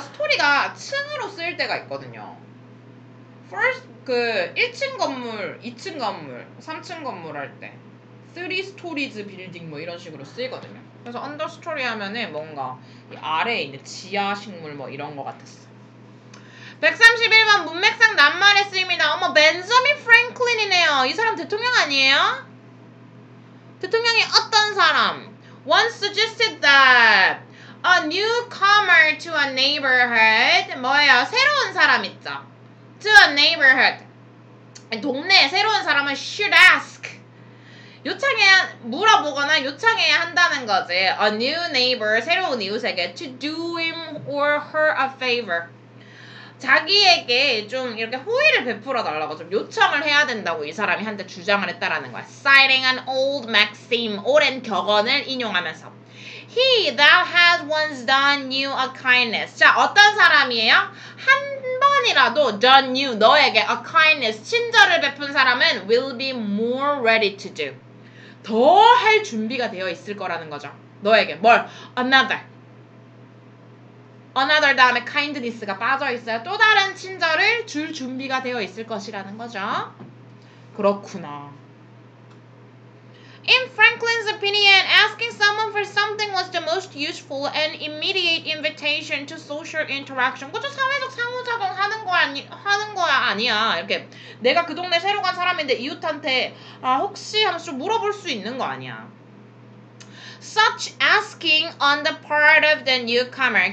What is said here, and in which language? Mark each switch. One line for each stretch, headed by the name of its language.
Korean: 스토리가 층으로 쓰일 때가 있거든요. First 그 1층 건물, 2층 건물, 3층 건물 할 때
English: 3 stories building
Korean: 뭐 이런 식으로 쓰이거든요. 그래서 언더스토리 하면은 뭔가 이 아래에 있는 지하식물 뭐 이런 거 같았어. 131번 문맥상 낱말에 쓰입니다. 어머 벤자민 프랭클린이네요. 이 사람 대통령 아니에요? 대통령이 어떤 사람?
English: Once suggested that a newcomer to a neighborhood
Korean: 뭐예요? 새로운 사람 있죠?
English: To a neighborhood
Korean: 동네에 새로운 사람을
English: should ask
Korean: 요청해야, 물어보거나 요청해야 한다는 거지.
English: A new neighbor,
Korean: 새로운 이웃에게
English: to do him or her a favor.
Korean: 자기에게 좀 이렇게 호의를 베풀어 달라고 좀 요청을 해야 된다고 이 사람이 한테 주장을 했다라는 거야.
English: Citing an old maxim,
Korean: 오랜 격언을 인용하면서.
English: He that has once done you a kindness.
Korean: 자, 어떤 사람이에요? 한 번이라도
English: done you,
Korean: 너에게
English: a kindness,
Korean: 친절을 베푼 사람은
English: will be more ready to do.
Korean: 더 할 준비가 되어 있을 거라는 거죠. 너에게 뭘? Another. Another 다음에 kindness가 빠져 있어요. 또 다른 친절을 줄 준비가 되어 있을 것이라는 거죠. 그렇구나.
English: In Franklin's opinion, asking someone for something was the most useful and immediate invitation to social interaction.
Korean: 그죠? 사회적 상호작용 하는 거야 아니야. 이렇게 내가 그 동네 새로 간 사람인데 이웃한테 아 혹시 하면서 물어볼 수 있는 거 아니야.
English: Such asking on the part of the newcomer.